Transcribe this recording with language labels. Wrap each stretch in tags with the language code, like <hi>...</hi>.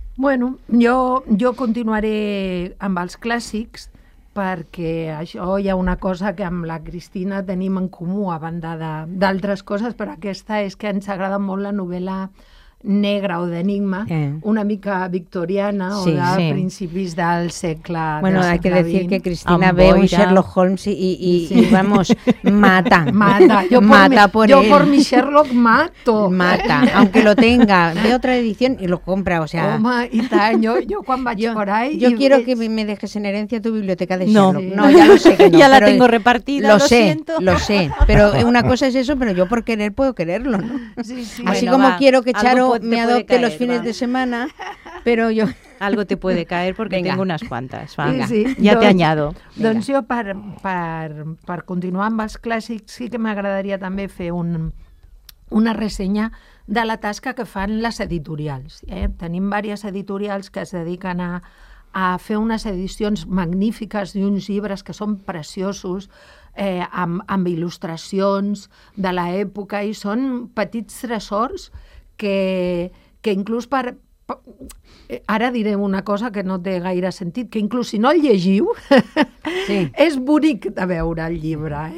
<ca>Bueno, jo continuaré amb els clàssics, perquè això hi ha una cosa que amb la Cristina tenim en comú, a banda d'altres coses, però aquesta és que ens agrada molt la novel·la negra o d'enigma, una mica victoriana sí, o de principis del segle XX. Bueno, segle</ca> <es>hay que decir que Cristina ve un Sherlock Holmes y vamos, mata. Yo por mi Sherlock mato. Aunque lo tenga, ve otra edición y lo compra, o sea.</es> <ca>Home, i tant, yo quan vaig</ca> <es>por ahí. Yo quiero que me dejes en herencia tu biblioteca de Sherlock. No, ya lo sé que no. Ya la tengo repartida, lo siento. Lo sé, pero una cosa es eso, pero yo por querer puedo quererlo, ¿no? Así como quiero que Charo me adopte los fines de semana, pero yo algo te puede caer porque tengo unas cuantas. Ya te añado.</es> <ca>Doncs jo per continuar amb els clàssics, sí que m'agradaria també fer una ressenya de la tasca que fan les editorials. Tenim diverses editorials que es dediquen a fer unes edicions magnífiques d'uns llibres que són preciosos, amb il·lustracions de l'època, i són petits tresors que inclús ara diré una cosa que no té gaire sentit, que inclús si no el llegiu, és bonic de veure el llibre.</ca>